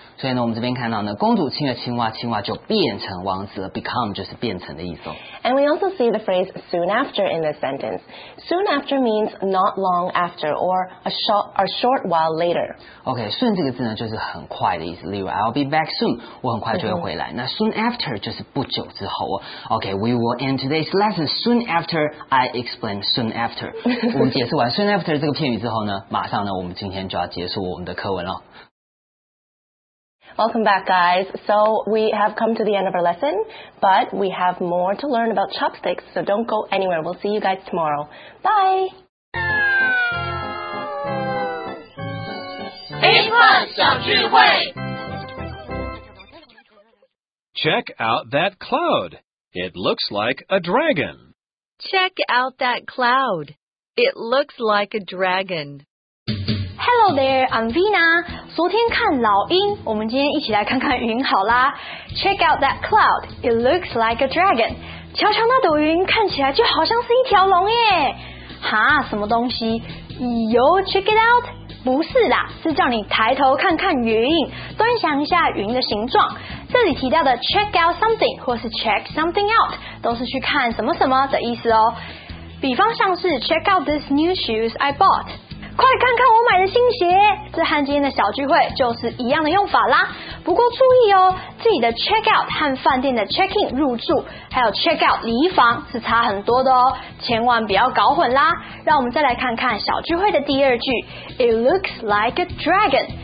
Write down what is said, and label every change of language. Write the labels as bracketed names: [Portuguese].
[Chinese] 所以呢我们这边看到呢公主亲了青蛙青蛙就变成王子了 become 就是变成的意思。 [English] And we also see the phrase soon after in this sentence. Soon after means not long after or a short while later. [Chinese] OK, 顺这个字呢就是很快的意思例如 [English] I'll be back soon, [Chinese] 我很快就会回来、mm-hmm. 那 soon after 就是不久之后。 [English] OK, we will end today's lesson soon after I explain soon after. [Chinese] 我们解释完 soon after 这个片语之后呢马上呢我们今天就要结束我们的课文了。 [English] Welcome back, guys. So we have come to the end of our lesson, but we have more to learn about chopsticks, so don't go anywhere. We'll see you guys tomorrow. Bye! Check out that cloud. It looks like a dragon. Check out that cloud. It looks like a dragon. Hello there, I'm Vina. [Chinese] 昨天看老鹰，我们今天一起来看看云好啦。 [English] Check out that cloud. It looks like a dragon. [Chinese] 瞧瞧那朵云，看起来就好像是一条龙耶。哈，什么东西？哟 ， [English] check it out. [Chinese] 不是啦，是叫你抬头看看云，端详一下云的形状。这里提到的 check out something 或是 check something out 都是去看什么什么的意思哦。比方像是 [English] check out these new shoes I bought. [Chinese] 快看看我买的新鞋，这和今天的小聚会就是一样的用法啦。不过注意哦，这里的 check out 和饭店的 check in 入住，还有 check out 离房是差很多的哦，千万不要搞混啦。让我们再来看看小聚会的第二句 ， [English] It looks like a dragon。